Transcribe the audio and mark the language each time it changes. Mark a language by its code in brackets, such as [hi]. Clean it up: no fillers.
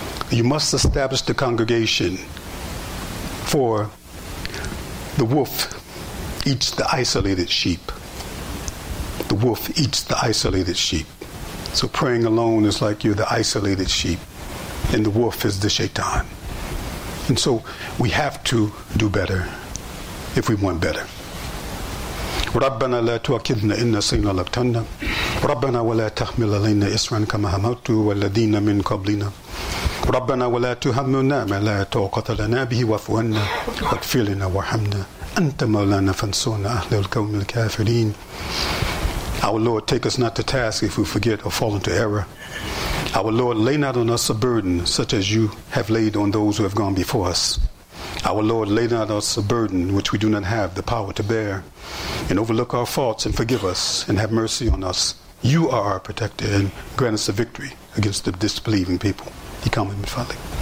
[en] You must establish the congregation, for the wolf eats the isolated sheep. The wolf eats the isolated sheep. So praying alone is like you're the isolated sheep, and the wolf is the shaitan. And so we have to do better if we want better. [ar] ربنا لا تؤاخذنا إن نسينا أو أخطأنا ربنا ولا تحمل علينا إصرا كما حملته والذين من قبلنا ربنا ولا تهملنا ما لا طاقة لنا به واعف عنا واغفر لنا وارحمنا أنت مولانا فانصرنا أهل القوم الكافرين. [en] Our Lord, take us not to task if we forget or fall into error. Our Lord, lay not on us a burden such as you have laid on those who have gone before us. Our Lord, lay not on us a burden which we do not have the power to bear, and overlook our faults and forgive us and have mercy on us. You are our protector and grant us a victory against the disbelieving people. He come in, Father.